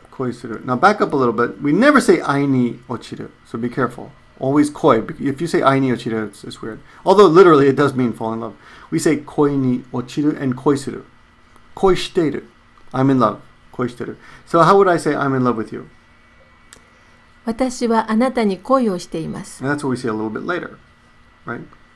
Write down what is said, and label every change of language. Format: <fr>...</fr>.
<en>Koi suru. Now back up a little bit. We never say</en> <ja>ai ni ochiru,</ja> <en>so be careful. Always koi. If you say</en> <ja>ai ni ochiru,</ja> <en>it's weird. Although literally it does mean fall in love. We say</en> <ja>koi ni ochiru</ja> <en>and koi suru.</en> <ja>Koi shiteru.</ja> <en>I'm in love. Koi shiteru. So how would I say I'm in love with you?</en> <ja>私はあなたに恋をしています。</ja> <en>And that's what we see a little bit later, right?</en>